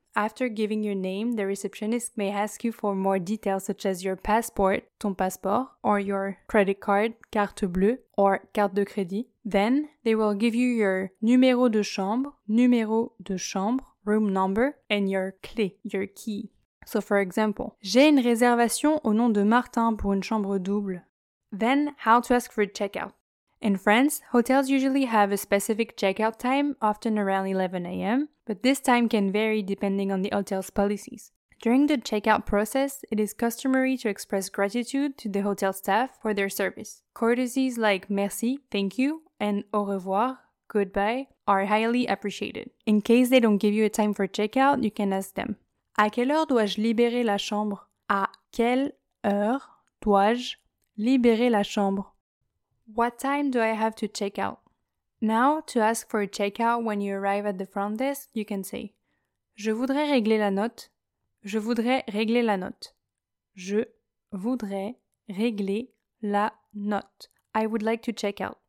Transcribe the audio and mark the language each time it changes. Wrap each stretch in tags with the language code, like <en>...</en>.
<en>After giving your name, the receptionist may ask you for more details such as your passport,</en> <fr>ton passeport,</fr> <en>or your credit card,</en> <fr>carte bleue,</fr> <en>or</en> <fr>carte de crédit.</fr> <en>Then, they will give you your</en> <fr>numéro de chambre,</fr> <en>room number, and your clé, your key. So for example,</en> <fr>j'ai une réservation au nom de Martin pour une chambre double.</fr> <en>Then, how to ask for a checkout. In France, hotels usually have a specific checkout time, often around 11 a.m., but this time can vary depending on the hotel's policies. During the checkout process, it is customary to express gratitude to the hotel staff for their service. Courtesies like merci, thank you, and au revoir, goodbye, are highly appreciated. In case they don't give you a time for checkout, you can ask them.</en> <fr>À quelle heure dois-je libérer la chambre? À quelle heure dois-je libérer la chambre?</fr> <en>What time do I have to check out? Now, to ask for a checkout when you arrive at the front desk, you can say</en> <fr>je voudrais régler la note. Je voudrais régler la note. Je voudrais régler la note.</fr> <en>I would like to check out.</en>